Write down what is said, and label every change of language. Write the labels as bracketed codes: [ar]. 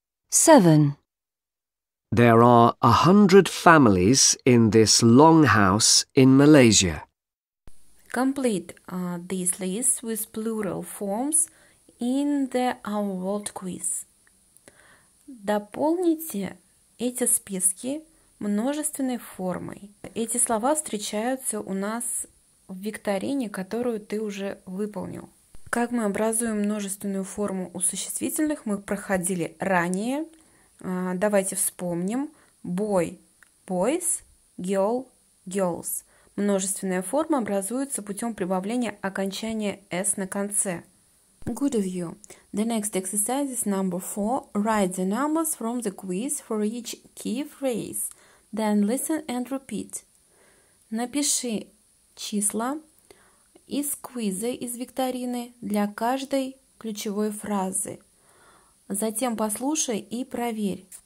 [en] 7. There are 100 families in this longhouse in Malaysia. Complete these lists with plural forms in the Our World quiz. [ru] Дополните эти списки множественной формой. Эти слова встречаются у нас в викторине, которую ты уже выполнил. Как мы образуем множественную форму у существительных, мы проходили ранее. Давайте вспомним. [en] Boy – boys, girl – girls. [ru] Множественная форма образуется путем прибавления окончания s на конце. [en] Good of you. The next exercise is number 4. Write the numbers from the quiz for each key phrase. Then listen and repeat. [ru] Напиши числа из квиза, из викторины для каждой ключевой фразы. Затем послушай и проверь.